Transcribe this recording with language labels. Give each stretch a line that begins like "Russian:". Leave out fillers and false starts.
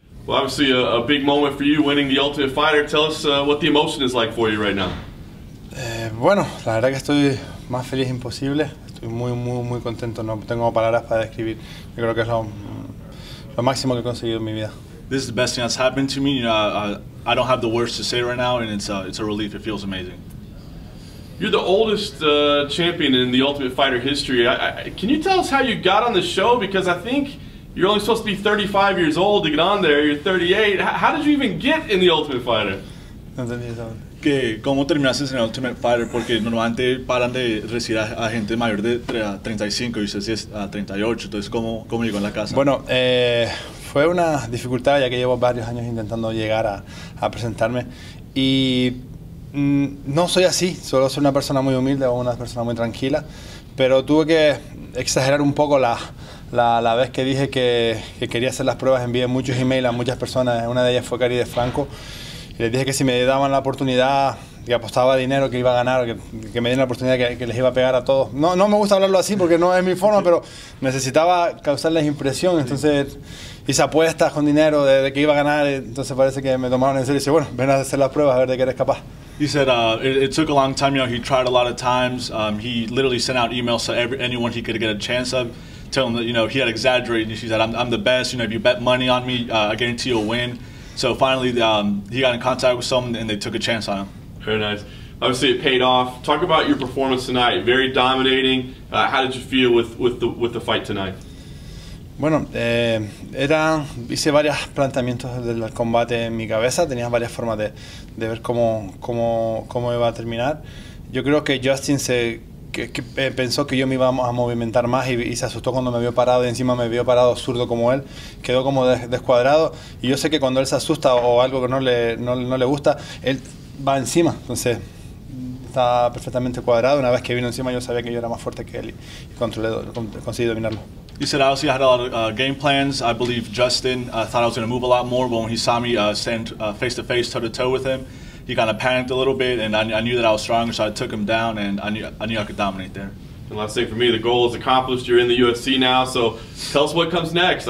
English: Well, obviously a big moment for you winning the Ultimate Fighter. Tell us what the emotion is like for you right now.
Spanish: Bueno, la verdad que estoy más feliz imposible. Estoy muy, muy, muy contento. No tengo palabras para describir. Yo creo que es lo máximo que he conseguido en mi vida.
English: This is the best thing that's happened to me. You know, I don't have the words to say right now, and it's a relief. It feels amazing. You're the oldest champion in the Ultimate Fighter history. Can you tell us how you got on the show? Because I think you're only supposed to be 35 years old to get on there. You're 38. How did you even get in the Ultimate Fighter?
Spanish: ¿Cómo terminaste en el Ultimate Fighter? Porque normalmente paran de recibir a gente mayor de 35 y usted sí es a 38. Entonces, ¿cómo llegó en la casa? Bueno, fue una dificultad ya que llevo varios años intentando llegar a presentarme. Y no soy así, solo soy una persona muy humilde o una persona muy tranquila. Pero tuve que exagerar un poco la vez que dije que quería hacer las pruebas. Envié muchos emails a muchas personas, una de ellas fue Cari de Franco. Les dije que si me daban la oportunidad, que apostaba dinero, que iba a ganar, que me dieran la oportunidad, que les iba a pegar a todos. No me gusta hablarlo así porque no es mi forma, pero necesitaba causarles impresión. Entonces hice apuestas con dinero de que iba a ganar. Entonces parece que me tomaron en serio y dice, bueno, ven a hacer las pruebas a ver de qué eres capaz.
English: He said it took a long time. You know, he tried a lot of times. He literally sent out emails to anyone he could get a chance of, telling that, you know, he had exaggerated. He said, I'm the best. You know, if you bet money on me, I guarantee you'll win. So finally, he got in contact with someone, and they took a chance on him. Very nice. Obviously, it paid off. Talk about your performance tonight. Very dominating. How did you feel with the fight tonight?
Spanish: Bueno, hice varios planteamientos del combate en mi cabeza. Tenía varias formas de ver cómo iba a terminar. Yo creo que Justin pensó que yo me iba a movimentar más y se asustó cuando me vio parado y encima me vio parado zurdo como él, quedó como descuadrado, y yo sé que cuando él se asusta o algo que no le gusta, él va encima. Entonces estaba perfectamente cuadrado. Una vez que vino encima, yo sabía que yo era más fuerte que él y conseguí dominarlo.
English: He said obviously I had a lot of game plans. I believe Justin thought I was going to move a lot more, but when he saw me stand face to face, toe to toe with him, he kind of panicked a little bit, and I knew that I was stronger, so I took him down, and I knew I could dominate there. And last thing for me, the goal is accomplished. You're in the UFC now, so tell us what comes next.